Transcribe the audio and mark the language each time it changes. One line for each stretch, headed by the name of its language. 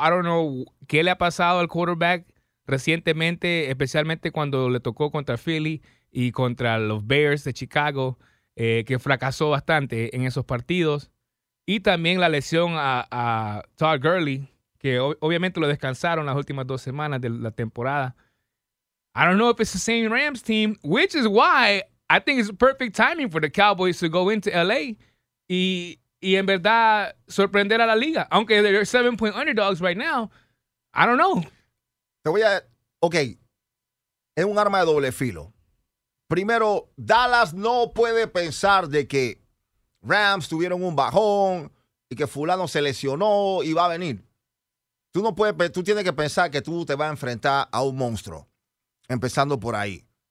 English: I don't know
Spanish: qué le ha pasado al quarterback recientemente, especialmente cuando le tocó contra Philly y contra los Bears de Chicago. que fracasó bastante en esos partidos. Y también la lesión a Todd Gurley, que obviamente lo descansaron las últimas dos semanas de la temporada.
English: I don't know if it's the same Rams team, which is why I think it's perfect timing for the Cowboys to go into LA
Spanish: y en verdad sorprender a la liga. Aunque
English: they're 7-point underdogs right now, I don't know.
Spanish: Te voy a... Ok. Es un arma de doble filo. Primero, Dallas no puede pensar de que Rams tuvieron un bajón y que fulano se lesionó y va a venir. Tú no puedes, tú tienes que pensar que tú te vas a enfrentar a un monstruo, empezando por ahí.